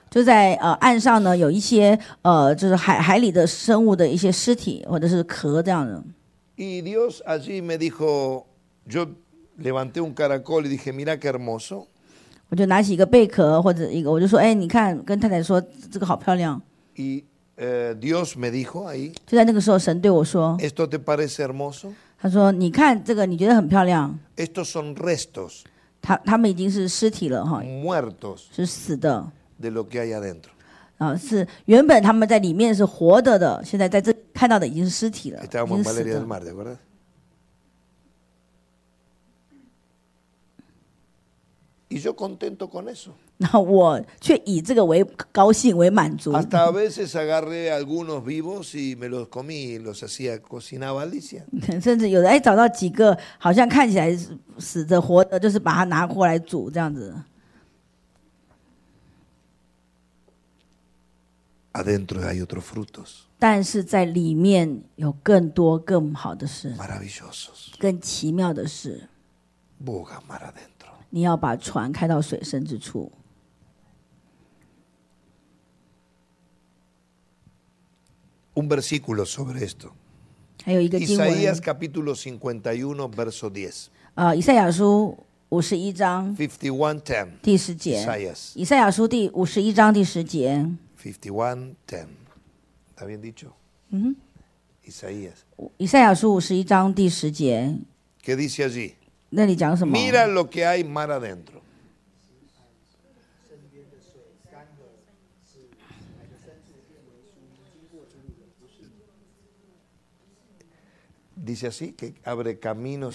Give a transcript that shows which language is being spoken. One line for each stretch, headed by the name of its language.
Chinese: 就在岸上呢，有一些就是海里的生物的一些尸体或者是壳这样的。
Spanish: Y Dios allí me dijo, yoLevanté un caracol y dije, mira qué hermoso.
Chinese: 我就拿起一个贝壳或者一个，我就说，哎，你看，跟太太说，这个好漂亮。
Spanish: Y Dios me dijo ahí.
Chinese: 就在那个时候，神对我说。
Spanish: Esto te parece hermoso?
Chinese: 他说，你看这个，你觉得很漂亮。
Spanish: Estos son restos.
Chinese: 他们已经是尸体了哈。
Spanish: Muertos.
Chinese: 是死的。
Spanish: De lo que hay adentro.
Chinese: 是原本他们在里面是活着的，现在在这看到的已经是尸体了。
Spanish: Estábamos en Valeria del Mar, ¿de acuerdo? Y yo contento con eso.
Chinese: 那我却以这个为高兴为满足。
Spanish: Hasta a veces agarré algunos vivos y me los comí, los hacía cocinaba Alicia.
Chinese: 甚至有的找到几个好像看起来死的活的，就是把它拿过来煮这样子。
Spanish: Adentro hay otros frutos.
Chinese: 但是在里面有更多更好的事。
Spanish: Maravillosos.
Chinese: 更奇妙的事。
Spanish: Boga mar adentro.
Chinese: 你要把船开到水深之处。
Spanish: Un versículo sobre esto.
Chinese: 还有一个经文。
Spanish: Isaías capítulo 51 verso 10.
Chinese: 以赛亚书五十一章
Spanish: 51:10
Chinese: 第十节
Spanish: Isaías
Chinese: 以赛亚书第五十一章第十节
Spanish: 51:10 está bien dicho Isaías
Chinese: 以赛亚书五十一章第十节
Spanish: qué dice allí
Chinese: 那里讲什么
Spanish: mira lo que hay mar adentro dice así que abre caminos